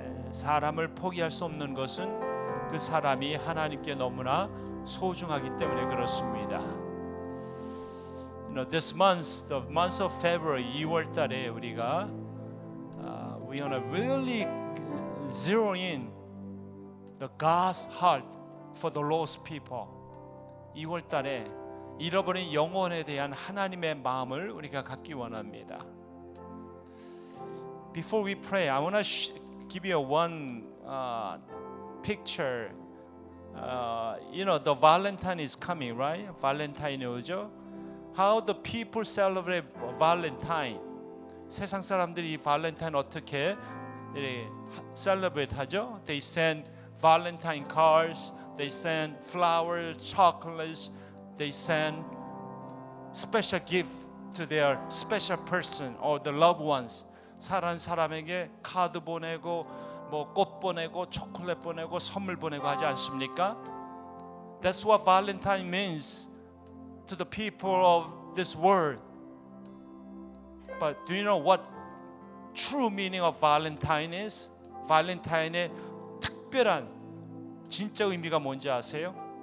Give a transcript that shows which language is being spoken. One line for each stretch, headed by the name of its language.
Korean: 사람을 포기할 수 없는 것은 그 사람이 하나님께 너무나 소중하기 때문에 그렇습니다.
English: You know, this month, the month of February,
Korean: 2월 달에 우리가
English: we want to really zero in the God's heart for the lost people.
Korean: 2월 달에 잃어버린 영혼에 대한 하나님의 마음을 우리가 갖기 원합니다.
English: Before we pray, I want to give you one picture. You know, the Valentine is coming, right?
Korean: Valentine 오죠?
English: How the people celebrate Valentine?
Korean: 세상 사람들이 Valentine 어떻게 celebrate 하죠?
English: They send Valentine cards, they send flowers, chocolates, they send special gift to their special person or the loved ones.
Korean: 사랑하는 사람에게 카드 보내고 뭐 꽃 보내고 초콜릿 보내고 선물 보내고 하지 않습니까?
English: That's what Valentine means to the people of this world. But do you know what true meaning of Valentine is?
Korean: Valentine의 특별한 진짜 의미가 뭔지 아세요?